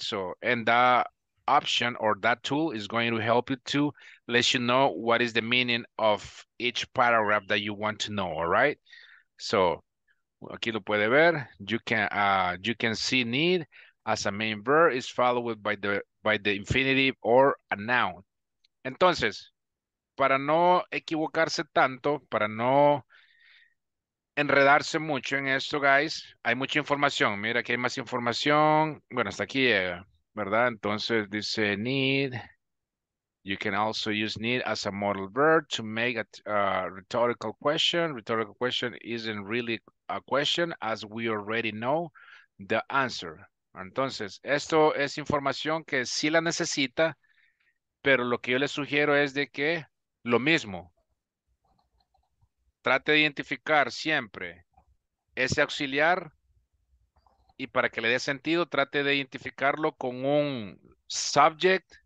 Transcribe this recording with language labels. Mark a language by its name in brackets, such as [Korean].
[English] So, and that option or that tool is going to help you to let you know what is the meaning of each paragraph that you want to know, all right? So, [Spanish] aquí lo puede ver. [English] You can see need as a main verb is followed by the infinitive or a noun. [Spanish] Entonces, para no equivocarse tanto, para no enredarse mucho en esto, guys, hay mucha información. Mira, aquí hay más información. Bueno, hasta aquí llega, ¿verdad? Entonces, dice [English] need... You can also use need as a modal verb to make a rhetorical question. Rhetorical question isn't really a question as we already know the answer. [Spanish] Entonces, esto es información que sí la necesita, pero lo que yo le sugiero es de que lo mismo. Trate de identificar siempre ese auxiliar y para que le dé sentido, trate de identificarlo con un subject.